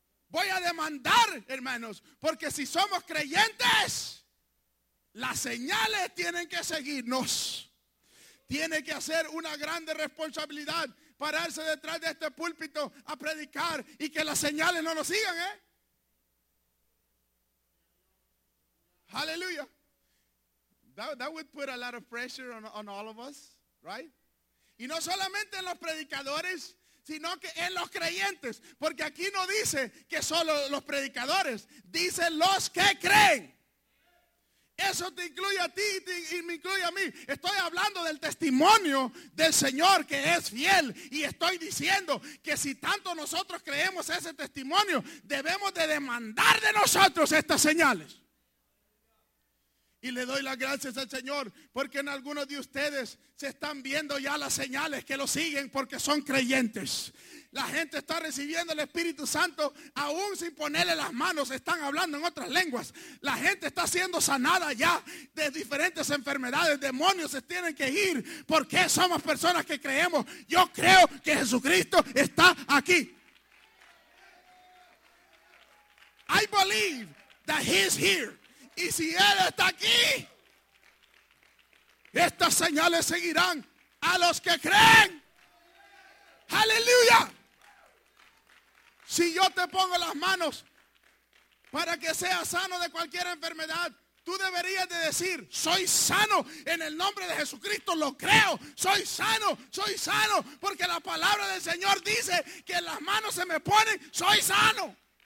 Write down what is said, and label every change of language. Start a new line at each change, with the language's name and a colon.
Spanish: Voy a demandar, hermanos, porque si somos creyentes, las señales tienen que seguirnos. Tiene que hacer una grande responsabilidad pararse detrás de este púlpito a predicar y que las señales no nos sigan, ¿eh? Aleluya.
English: That would put a lot of pressure on all of us, right?
Spanish: Y no solamente en los predicadores, sino que en los creyentes. Porque aquí no dice que solo los predicadores, dice los que creen. Eso te incluye a ti y me incluye a mí. Estoy hablando del testimonio del Señor que es fiel. Y estoy diciendo que si tanto nosotros creemos ese testimonio, debemos de demandar de nosotros estas señales. Y le doy las gracias al Señor porque en algunos de ustedes se están viendo ya las señales que lo siguen porque son creyentes. La gente está recibiendo el Espíritu Santo aún sin ponerle las manos, están hablando en otras lenguas. La gente está siendo sanada ya de diferentes enfermedades, demonios se tienen que ir porque somos personas que creemos. Yo creo que Jesucristo está aquí.
English: I believe that he is here.
Spanish: Y si Él está aquí, estas señales seguirán a los que creen. ¡Aleluya! Si yo te pongo las manos, para que sea sano de cualquier enfermedad, tú deberías de decir: soy sano en el nombre de Jesucristo, lo creo, soy sano, porque la palabra del Señor dice que en las manos se me ponen, soy sano.